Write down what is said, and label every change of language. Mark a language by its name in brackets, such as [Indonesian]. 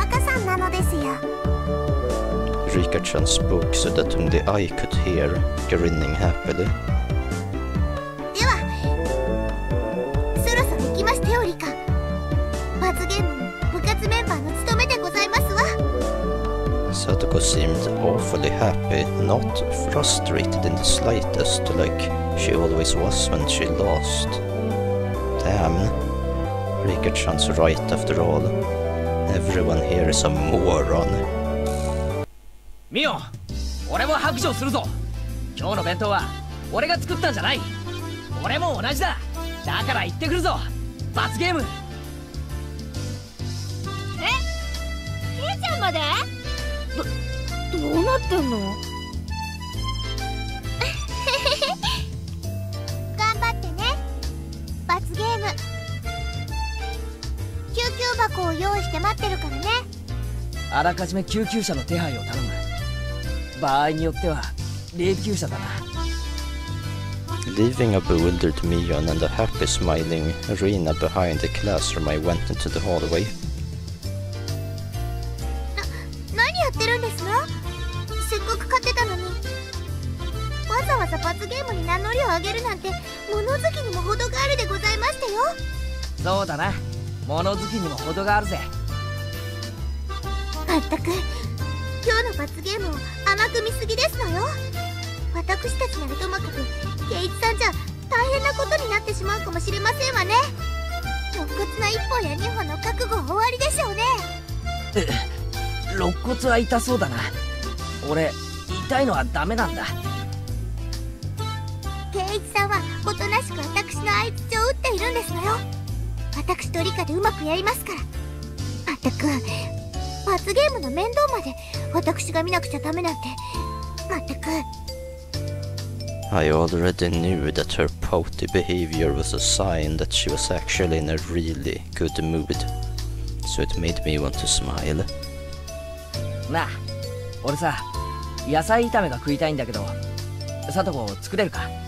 [English] Rika-chan spoke so that only I could hear, grinning happily. [Japanese] では、そろそろ行きましてよ、リカ。罰ゲームも部活メンバーの務めでございますわ。 [English] Satoko seemed awfully happy, not frustrated in the slightest, like she always was when she lost. Damn. Richard Chan's right after all. Everyone here is a moron. [Japanese] Mio, ore mo hakusho suru zo. Kyou no bentō wa ore ga tsukutta janai. Ore mo onaji da. Dakara itte kuru zo. Bats game. Kei-chan made? Dou natten no? Ganbatte ne. Bats game. 救急箱を用意して待ってるからね。あらかじめ救急車の手配を頼む。場合によっては霊柩車だな。 [English] Leaving a bewildered Mion and a happy smiling Rina behind the classroom, I went into the hallway. [Japanese] 何やってるんですか？せっかく買ってたのに。わざわざ罰ゲームに名乗りを上げるなんて物好きにも程があるでございましたよ。そうだな、物好きにも程があるぜ。まったく、今日の罰ゲームを甘く見すぎですのよ。私たちならともかく、圭一さんじゃ大変なことになってしまうかもしれませんわね。肋骨の一本や二本の覚悟終わりでしょうね。肋骨は痛そうだな。俺、痛いのはダメなんだ。圭一さんはおとなしく私の相槌を打っているんですのよ。私とリカでうまくやりますから。まったく、罰ゲームの面倒まで私が見なくちゃダメなんて。まったく。 [English] I already knew that her pouty behavior was a sign that she was actually in a really good mood, so it made me want to smile. [Japanese] なあ、俺さ、野菜炒めが食いたいんだけど、サトコ作れるか？